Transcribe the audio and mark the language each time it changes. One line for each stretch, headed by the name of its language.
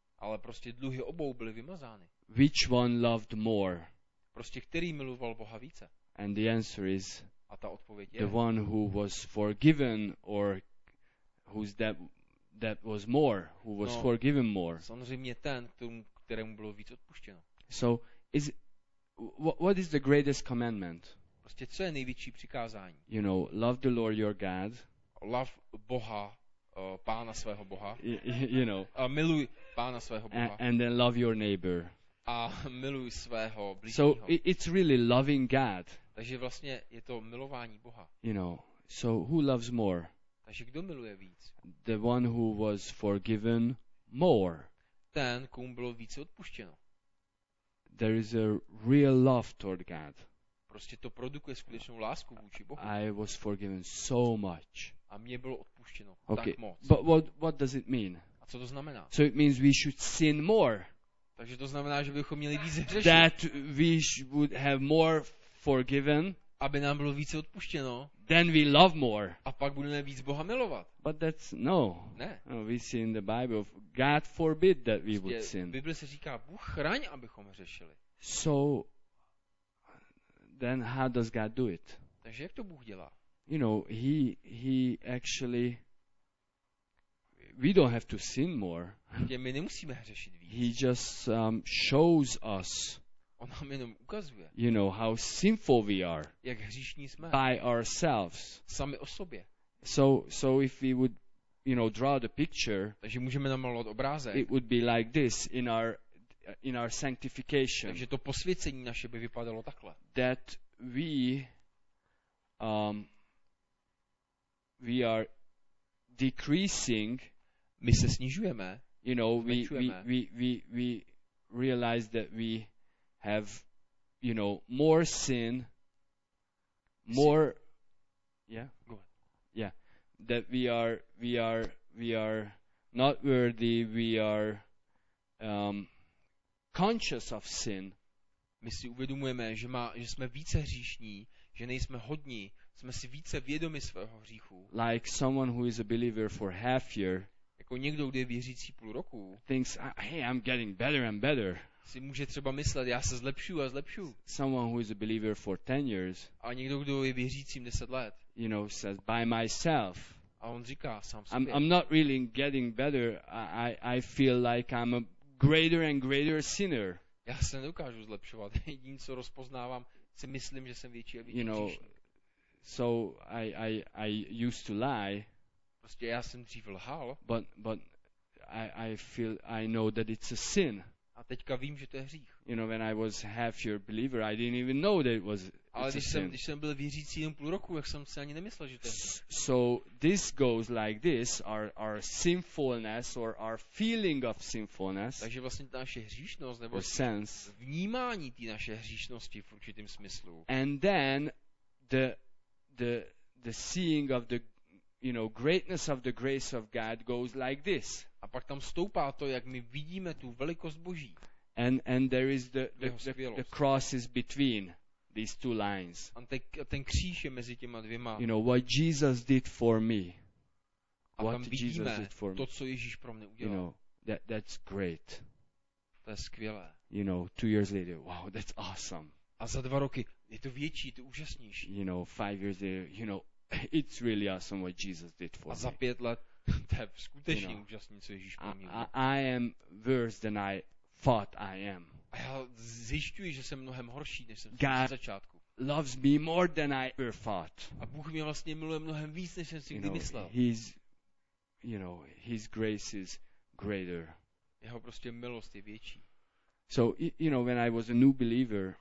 Czech: Ale prostě dluhy obou byly vymazány.
English: Which one loved more?
Czech: Prostě který miloval Boha více?
English: And the answer is
Czech: a ta odpověď je
English: the one who was forgiven or whose debt was more, who was forgiven more.
Czech: Samozřejmě ten, kterému bylo víc odpuštěno.
English: So is what is the greatest commandment?
Czech: Prostě co je největší přikázání?
English: You know, love the Lord your God. Love
Czech: Boha, pána svého Boha.
English: You know.
Czech: Miluj pána svého Boha.
English: And then love your neighbor.
Czech: A miluj svého blížního.
English: So it's really loving God.
Czech: Takže vlastně je to milování Boha.
English: You know. So who loves more?
Czech: Takže kdo miluje víc?
English: The one who was forgiven more.
Czech: Ten, komu bylo více odpuštěno.
English: There is a real love toward God.
Czech: Prostě to produkuje skutečnou lásku vůči Bohu.
English: I was forgiven so much.
Czech: A mě bylo odpuštěno okay. Tak moc.
English: But what does it mean?
Czech: A co to znamená?
English: So it means we should sin more.
Czech: Takže to znamená, že bychom měli víc hřešit.
English: That we would have more forgiven.
Czech: Aby nám bylo více odpuštěno.
English: Then we love more.
Czech: A pak budeme víc Boha milovat.
English: But that's no.
Czech: Ne.
English: No, we see in the Bible, God forbid that we would sin.
Czech: Bible se říká, Bůh chraň, abychom hřešili.
English: So then how does God do it?
Czech: Takže jak to Bůh dělá?
English: You know, he actually we don't have to sin more.
Czech: Je, my nemusíme hřešit víc.
English: He just shows us.
Czech: On nám jenom ukazuje.
English: You know how sinful we are.
Czech: Jak hříšní jsme.
English: By ourselves.
Czech: Sami o sobě.
English: So if we would, you know, draw the picture.
Czech: Takže můžeme namalovat obrázek.
English: It would be like this in our sanctification.
Czech: Takže to posvěcení naše by vypadalo takhle.
English: That we are decreasing.
Czech: My se snižujeme.
English: You know, we realize that we have, you know, more sin, more, yeah, go ahead. Yeah, that we are not worthy, we are conscious of sin.
Czech: My si uvědomujeme, že jsme více hříšní, že nejsme hodní, jsme si více vědomi svého hříchu.
English: Like someone who is a believer for half year.
Czech: Jako někdo, kdo je věřící půl roku.
English: Thinks, hey, I'm getting better and better.
Czech: Si může třeba myslet, já se zlepšuju a zlepšuju.
English: Someone who is a believer for 10 years.
Czech: A někdo, kdo je věřícím 10 let.
English: You know, says by myself.
Czech: A on říká sám sobě.
English: I'm not really getting better. I feel like I'm a greater and greater sinner.
Czech: Já se nedokážu zlepšovat. Jediné, co rozpoznávám, si myslím, že jsem větší a větší.
English: You know, so I used to lie.
Czech: Prostě já jsem dřív lhal.
English: But I feel I know that it's a sin.
Czech: A teďka vím, že to je hřích.
English: You know, when I was half year believer, I didn't even know that it was.
Czech: Ale když jsem byl věřící jen půl roku, jak jsem si ani nemyslel, že to je hřích.
English: So this goes like this, our sinfulness or our feeling of sinfulness.
Czech: Takže vlastně ta naše hříšnost nebo
English: sense,
Czech: vnímání té naše hříšnosti v určitém smyslu.
English: And then the seeing of the, you know, greatness of the grace of God goes like this.
Czech: A pak tam stoupá to, jak my vidíme tu velikost Boží.
English: And there is the cross is between these two lines.
Czech: A ten kříž je mezi těma dvěma.
English: You know what Jesus did for me.
Czech: A
English: what Jesus did for me.
Czech: To, co Ježíš pro mě udělal.
English: You know, that's great.
Czech: To je skvělé.
English: You know, 2 years later, wow, that's awesome.
Czech: A za dva roky, je to větší, je to úžasnější.
English: You know, 5 years later, you know, it's really awesome what Jesus did for me.
Czech: A za pět let, to je skutečně úžasný, co Ježíš pro mě.
English: I am worse than I thought I am.
Czech: A já zjišťuji, že jsem mnohem horší, než jsem si na začátku.
English: God loves me more than I ever thought.
Czech: A Bůh mě vlastně miluje mnohem víc, než jsem si kdy myslel.
English: You know, his grace is greater.
Czech: Jeho prostě milost je větší.
English: So, you know, when I was a new believer,